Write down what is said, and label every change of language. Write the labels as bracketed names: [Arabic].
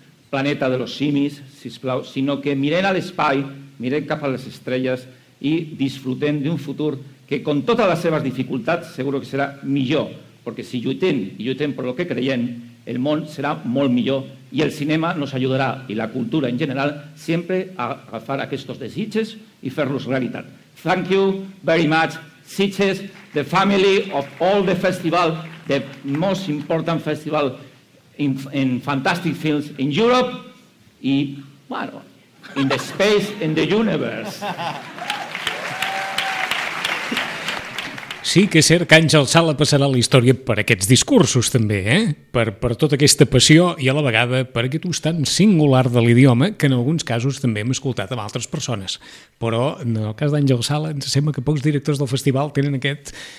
[Spanish] planeta de los simis, [Catalan] sisplau, sinó que mirem a l'espai, mirem cap a les estrelles i disfrutem d'un futur que, con totes les seves dificultats, segur que serà millor, perquè si lluitem i lluitem per el que creiem, el món serà molt millor i el cinema ens ajudarà, i la cultura en general, sempre a agafar aquests desitges i fer-los realitat. [English] Thank you very much, Sitges, the family of all the festival, the most important festival in fantastic films in Europe i, bueno, in the space, in the universe. [Catalan] Sí que és cert que Àngel Sala passarà la història per aquests discursos, també, eh? Per tota aquesta passió i, a la vegada, per aquest ús tan singular de l'idioma que, en alguns casos, també hem escoltat amb altres persones. Però, en el cas d'Àngel Sala, ens sembla que pocs directors del festival tenen aquest...